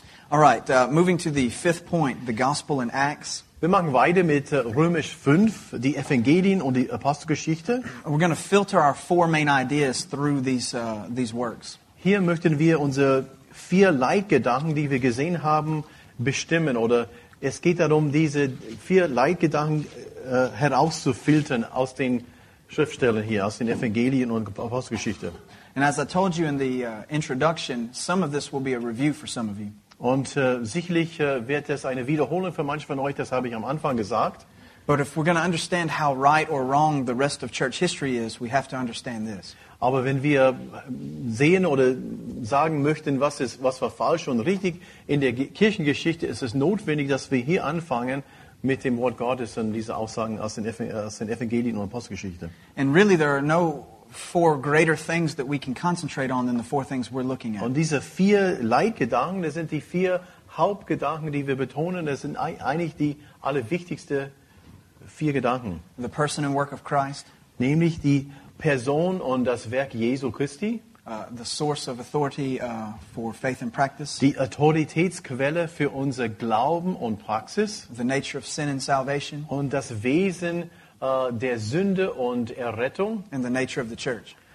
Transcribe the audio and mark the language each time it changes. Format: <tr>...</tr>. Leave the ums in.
<en>moving to the fifth point, the gospel and Acts. 5, We're going to filter our four main ideas through these, uh, these works.</en> <de>Hier möchten wir unsere vier Leitgedanken, die wir gesehen haben, bestimmen. Oder es geht darum, diese vier Leitgedanken uh, herauszufiltern aus den Schriftstellen hier, aus den Evangelien und Apostelgeschichte.</de> <en>And as I told you in the uh, introduction, some of this will be a review for some of you.</en> <de>Und äh, sicherlich äh, wird es eine Wiederholung für manche von euch, das habe ich am Anfang gesagt.</de> <en>Right is, we</en> <de>Aber wenn wir sehen oder sagen möchten, was ist, was war falsch und richtig in der G Kirchengeschichte, ist es notwendig, dass wir hier anfangen mit dem Wort Gottes und diese Aussagen aus den, aus den Evangelien und Apostelgeschichte.</de> <en>And really there are no four greater things that we can concentrate on than the four things we're looking at.</en> <de>Und diese vier Leitgedanken, das sind die vier Hauptgedanken, die wir betonen, das sind e eigentlich die allerwichtigste vier Gedanken.</de> <en>The person and work of Christ,</en> <de>nämlich die Person und das Werk Jesu Christi,</de> <en>uh, the source of authority uh, for faith and practice,</en> <de>die Autoritätsquelle für unser Glauben und Praxis,</de> <en>the nature of sin and salvation</en> <de>und das Wesen Uh, der Sünde und Errettung</de> <en>and the nature of the church.</en>